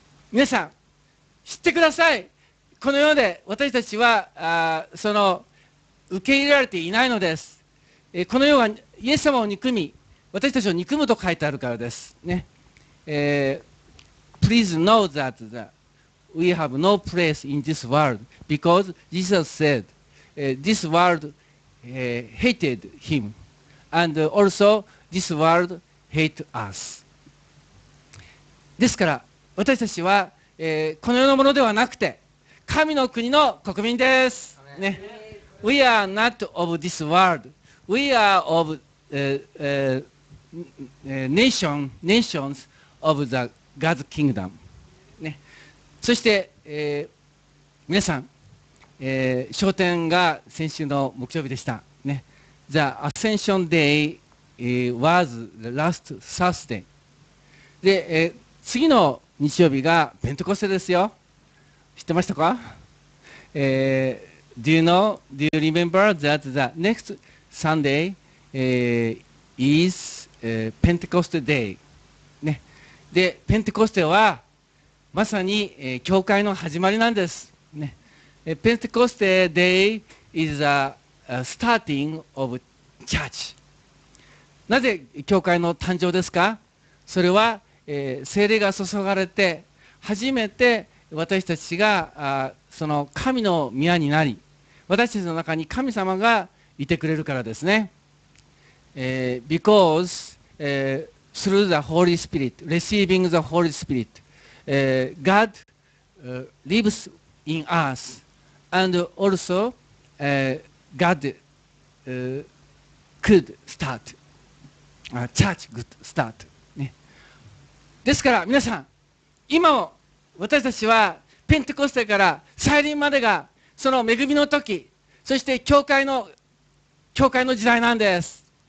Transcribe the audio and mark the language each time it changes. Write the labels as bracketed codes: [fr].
[ja] 皆さん知ってください。この世で私たちはその受け入れられていないのです。この世はイエス様を憎み私たちを憎むと書いてあるからですね。 [en] Please know that we have no place in this world because Jesus said this world hated him and also this world hate us。 [ja] ですから私たちはこの世のものではなくて神の国の国民です、ね、 [en] We are not of this world. We are of nations of the God's kingdom、 [ja] ね、そして、皆さん、昇天が先週の木曜日でした、ね、 [en] The Ascension Day was the last Thursday [ja] で、次の日曜日がペンテコステですよ。知ってましたか？ [en] Do you remember that the next Sunday is Pentecost Day? [ja] ね。で、ペンテコステはまさに、教会の始まりなんです。 [en] ね。Pentecost Day is a starting of church。 [ja] なぜ教会の誕生ですか？それは聖霊が注がれて初めて私たちがその神の宮になり私たちの中に神様がいてくれるからですね。 [en] Because through the Holy Spirit, receiving the Holy Spirit, God lives in us and also God could start church could start。 [ja] ですから皆さん、今も私たちはペンテコステから再臨までがその恵みの時、そして教会の時代なんです。